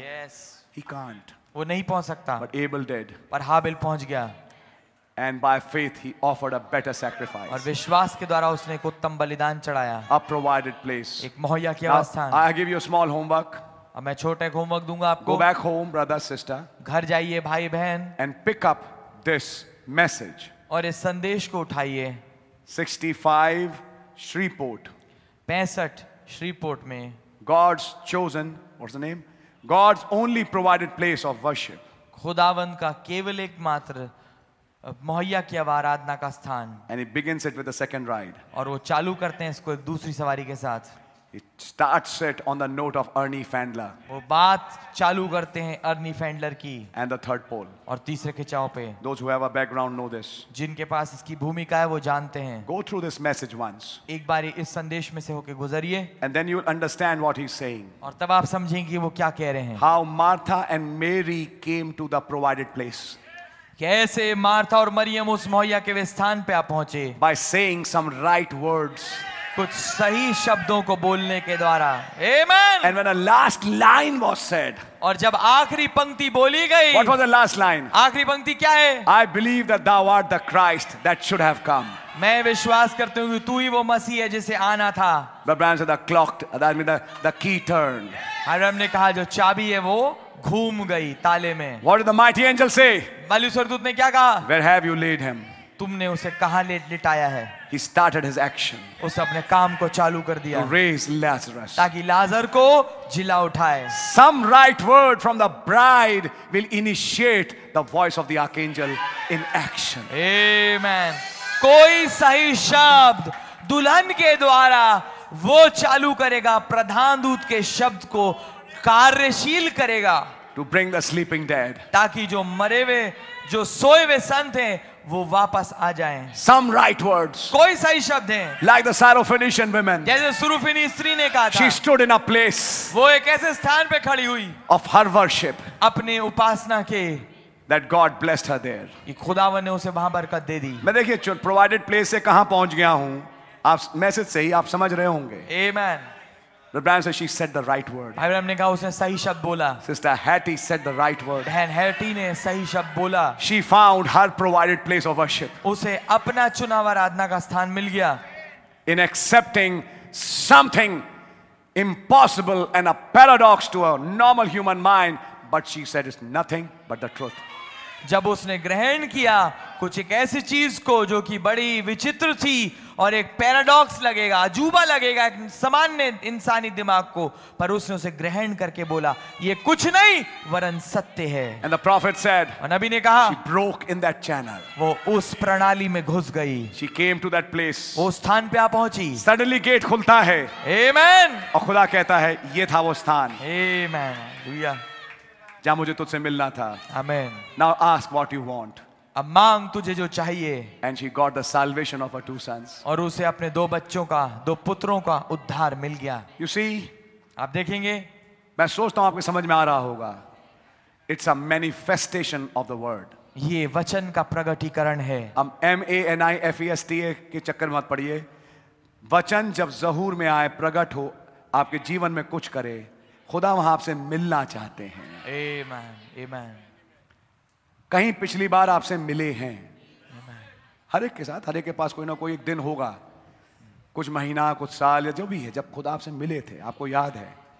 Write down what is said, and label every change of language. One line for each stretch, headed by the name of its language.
English: Yes. He can't.
Hindi: वो नहीं पहुंच सकता.
English: But Abel did.
Hindi: पर हाबिल पहुंच गया.
English: And by faith he offered a better sacrifice.
Hindi: और विश्वास के द्वारा उसने एक उत्तम बलिदान चढ़ाया.
English: A provided place.
Hindi: एक मुहैया के स्थान.
English: I give you a small homework.
Hindi: अब मैं छोटा एक होमवर्क दूंगा आपको.
English: Go back home, brother, sister.
Hindi: घर जाइए भाई बहन.
English: And pick up this message.
Hindi: और इस संदेश को उठाइए.
English: 65 Shreveport.
Hindi: 65 Shreveport में.
English: God's chosen, what's the name? God's only provided place of worship.
Hindi: खुदावंद का केवल एकमात्र मुहैया की आराधना का स्थान.
English: And he begins it with the second ride.
Hindi: और वो चालू करते हैं इसको एक दूसरी सवारी के साथ.
English: It starts it on the note of Ernie Fandler.
Hindi: वो बात चालू करते हैं अर्नी फैंडलर की.
English: And the third pole.
Hindi: और तीसरे खिंचाव पे.
English: Those who have a background know this.
Hindi: जिनके पास इसकी भूमिका है वो जानते हैं.
English: Go through this message once.
Hindi: एक बार इस संदेश में से होके गुजरिए.
English: And then you'll understand what he's saying.
Hindi: और तब आप समझेंगे वो क्या कह रहे हैं.
English: How Martha and Mary came to the provided place.
Hindi: कैसे मार्था और मरियम उस मुहैया के स्थान पे आ पहुंचे.
English: By saying some right words.
Hindi: कुछ सही शब्दों को बोलने के द्वारा.
English: Amen. And when a last line was said.
Hindi: और जब आखिरी पंक्ति बोली गई.
English: What was the last line?
Hindi: आखिरी पंक्ति क्या है?
English: I believe that thou art the Christ that should have come.
Hindi: मैं विश्वास करता हूँ कि तू ही वो मसीह है जिसे आना था.
English: But Branham said the clock, that means the key turned.
Hindi: हरम ने कहा जो चाबी है वो घूम गई ताले में.
English: What did the mighty angel say?
Hindi: बलि सरदूत ने क्या कहा?
English: Where have you laid him?
Hindi: तुमने उसे कहां लिटाया है?
English: He started his action.
Hindi: उसने अपने काम को चालू कर दिया.
English: To raise Lazarus.
Hindi: ताकि लाजर को जिला उठाए.
English: Some right word from the bride will initiate the voice of the archangel in action. Amen.
Hindi: कोई सही शब्द दुल्हन के द्वारा वो चालू करेगा प्रधान दूत के शब्द को कार्यशील करेगा.
English: To bring the sleeping dead.
Hindi: ताकि जो मरे हुए जो सोए हुए संत हैं वो वापस आ जाएं.
English: Some right words.
Hindi: कोई सही शब्द हैं.
English: Like the Syrophoenician women.
Hindi: जैसे सुरुफिनी स्त्री ने कहा था.
English: She stood in a place.
Hindi: वो एक ऐसे स्थान पे खड़ी हुई.
English: Of her worship.
Hindi: अपने उपासना के.
English: That God blessed her there.
Hindi: खुदावन ने उसे वहां बरकत दे दी. मैं देखिए
English: provided place
Hindi: से कहां पहुंच गया हूं. आप मैसेज से ही आप समझ रहे होंगे.
English: Amen. The Bible says she said the right word.
Hindi: Abraham ने कहा उसने सही शब्द बोला.
English: Sister Hattie said the right word.
Hindi: बहन हैटी ने सही शब्द बोला.
English: She found her provided place of worship.
Hindi: उसे अपना चुना हुआ आराधना का स्थान मिल गया.
English: In accepting something impossible and a paradox to a normal human mind, but she said it's nothing but the truth.
Hindi: जब उसने ग्रहण किया कुछ एक ऐसी चीज को जो कि बड़ी विचित्र थी और एक पैराडॉक्स लगेगा अजूबा लगेगा एक सामान्य इंसानी दिमाग को, पर उसने उसे ग्रहण करके बोला ये कुछ नहीं वरन सत्य है.
English: And the prophet said,
Hindi: और नबी ने कहा
English: she broke in that channel.
Hindi: वो उस प्रणाली में घुस गई.
English: She came to that place.
Hindi: वो स्थान पे आ पहुंची.
English: Suddenly
Hindi: गेट खुलता है.
English: Amen.
Hindi: और खुदा कहता है ये था वो स्थान.
English: Amen.
Hindi: जहां मुझे तुझसे मिलना था.
English: Amen. Now ask what you want.
Hindi: अब मांग तुझे जो चाहिए.
English: And she got the salvation of her two sons.
Hindi: और उसे अपने दो बच्चों का दो पुत्रों का उद्धार मिल गया.
English: You see,
Hindi: आप देखेंगे मैं सोचता हूं आपके समझ में आ रहा होगा.
English: It's a manifestation of the word.
Hindi: ये वचन का प्रगटीकरण है. M A N I F E S T A के चक्कर मत पड़िए. वचन जब जहूर में आए प्रकट हो आपके जीवन में कुछ करे, खुदा वहां आपसे मिलना चाहते हैं। आमीन, आमीन। कहीं पिछली बार आपसे मिले हैं, हर एक के साथ, हर एक के पास कोई ना कोई एक दिन होगा, कुछ महीना, कुछ साल या जो भी है, जब खुदा आपसे मिले थे, आपको याद है।